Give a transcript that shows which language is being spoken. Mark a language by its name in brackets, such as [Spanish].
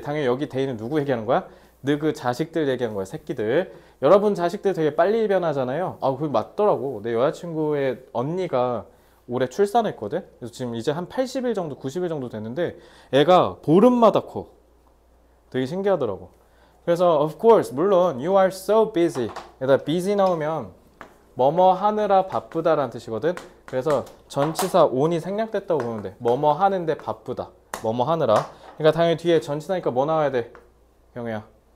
[Korean] 당연히 여기 they는 누구 얘기하는 거야? 너그 자식들 얘기하는 거야, 새끼들. 여러분 자식들 되게 빨리 변하잖아요. 아, 그게 맞더라고. 내 여자친구의 언니가 올해 출산했거든? 그래서 지금 이제 한 80일 정도, 90일 정도 됐는데 애가 보름마다 커. 되게 신기하더라고. 그래서 [English] of course, [Korean] 물론 [English] you are so busy. [Korean] 여기다 busy 나오면 뭐뭐 하느라 바쁘다라는 뜻이거든? 그래서 전치사 on이 생략됐다고 보면 돼. 뭐뭐 하는데 바쁘다. 뭐뭐 하느라. 그러니까 당연히 뒤에 전치사니까 뭐 나와야 돼? 경우야.